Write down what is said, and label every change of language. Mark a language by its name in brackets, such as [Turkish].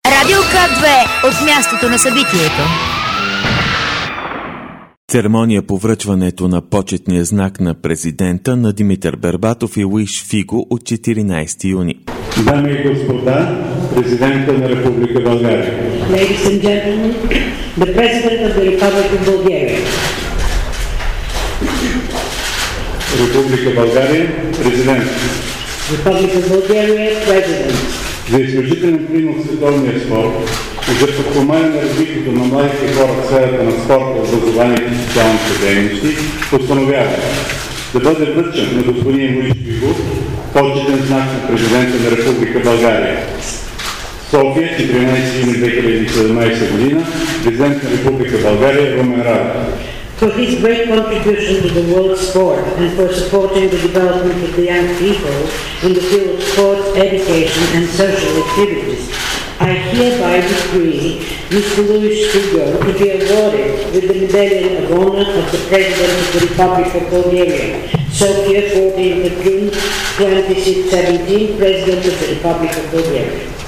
[Bulgarian] Радио К2 от мястото на събитието. Церемония по връчването на почетния знак на президента на Димитър Бербатов и Луиш Фиго от 14 юни. Дами и господа, президента на Република България. [English] Ladies and gentlemen, the president of the Republic of Bulgaria. [Bulgarian] Република България, президент. [English] Republic of Bulgaria, president. [Bulgarian] За изключителен принос в световния спорт, за подпомагане развитието на младите хора в сферата на спорта, образованието и социалните дейности, постановява да бъде връчен на господин Луиш Фиго почетен знак на президента на Република България. София, 14 юни 2017 година, президент на Република България, Румен Радев. [English] For his great contribution to the world of sport and for supporting the development of the young people in the field of sport, education and social activities, I hereby decree Mr. Luis Figo to be awarded with the Medallion of Honor of the President of the Republic of Bulgaria, Sofia, 14th of June 2017, President of the Republic of Bulgaria.